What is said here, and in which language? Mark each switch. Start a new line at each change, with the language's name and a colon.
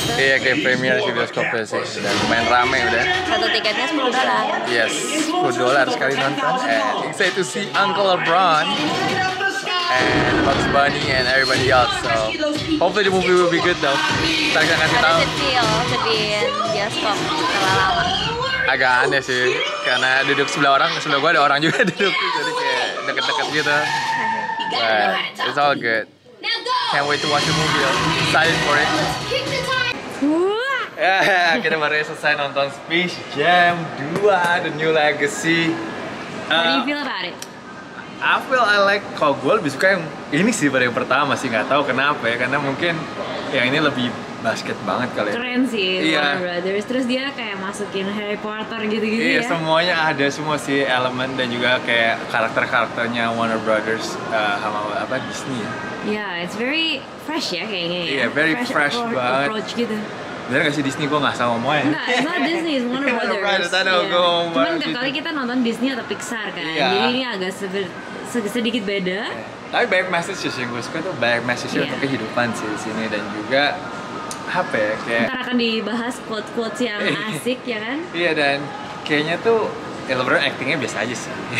Indonesian: Iya, kayak premiere di bioskopnya sih. Dan lumayan rame udah. Satu tiketnya $10. Yes, $10 sekali nonton.
English: And excited to see Uncle LeBron and Bugs Bunny and everybody else. So hopefully the movie will be good though.
Indonesian: Kita akan kasih tahu.
English: How does it feel to be in bioskop
Indonesian: setelah lama? Agak aneh sih, karena duduk sebelah orang, sebelah gue ada orang juga duduk, jadi kayak deket-deket gitu.
English: But it's all good. Can't wait to watch the movie. Excited for it. Yeah,
Indonesian: kita baru selesai nonton Space Jam 2, The New Legacy.
English: How do you feel about it? I like,
Indonesian: kalau gue lebih suka yang ini sih pada yang pertama sih, gak tahu kenapa ya, karena mungkin yang ini lebih basket banget kali ya. Keren sih, yeah. Warner Brothers, terus dia kayak masukin Harry Potter gitu-gitu,
English: yeah,
Indonesian: ya. Iya, semuanya ada, semua sih elemen dan juga kayak karakter-karakternya Warner Brothers sama apa Disney ya. Iya, yeah,
English: it's very fresh
Indonesian: ya kayaknya. Iya, yeah,
English: very fresh
Indonesian: banget. Approach gitu. Bener gak sih Disney, gue gak sama omongnya? Enggak,
English: it's not Disney, it's Warner Brothers. Warner Brothers, yeah. I don't know.
Indonesian: Cuman tiap gitu. Kali kita nonton Disney atau Pixar kan, yeah. Jadi ini agak sedikit beda. Tapi banyak message yang gue suka tuh, banyak message, yeah, untuk kehidupan sih di sini dan juga HP ya, kayak... Ntar akan dibahas quote-quote yang asik, ya kan? Iya, yeah, dan kayaknya tuh, ya LeBron acting-nya biasa aja sih.